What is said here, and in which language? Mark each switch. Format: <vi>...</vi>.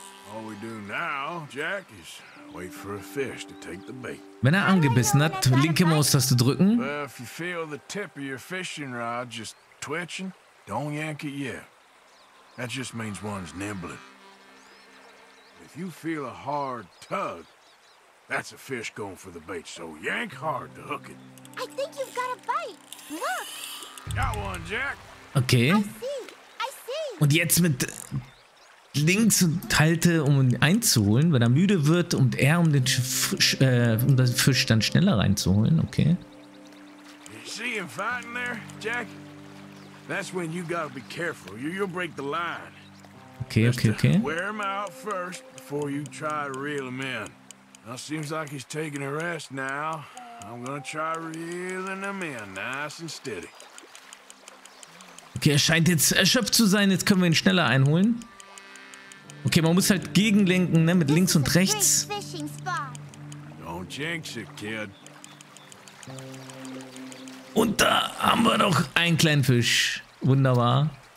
<en>All we do now, Jack, is wait for a fish to take the bait.</en> <de>Wenn angebissen hat, linke Maustaste drücken.</de> <en>Well, if you feel the tip of your fishing rod just twitching, don't yank it yet. That just means one's nibbling. If you feel a hard tug, That's a fish going for the bait, so yank hard to hook it. I think you've got a bite. Look. Got one, Jack. Okay. I see.</en> <de>Und jetzt mit links und halte, um ihn einzuholen, wenn er müde wird, und er, um den Fisch, dann schneller reinzuholen.</de> <en>Okay. You see him fighting there, Jack? That's when you gotta be careful. You'll break the line. Okay. Wear him out first before you try to reel him in. Now seems like he's taking a rest now. I'm gonna try reeling him in, nice and steady.</en> <de>Okay, er scheint jetzt erschöpft zu sein. Jetzt können wir ihn schneller einholen. Okay, man muss halt gegenlenken, ne? Mit links und rechts.</de> <en>Don't jinx it, kid.</en> <de>Und da haben wir noch einen kleinen Fisch. Wunderbar.</de>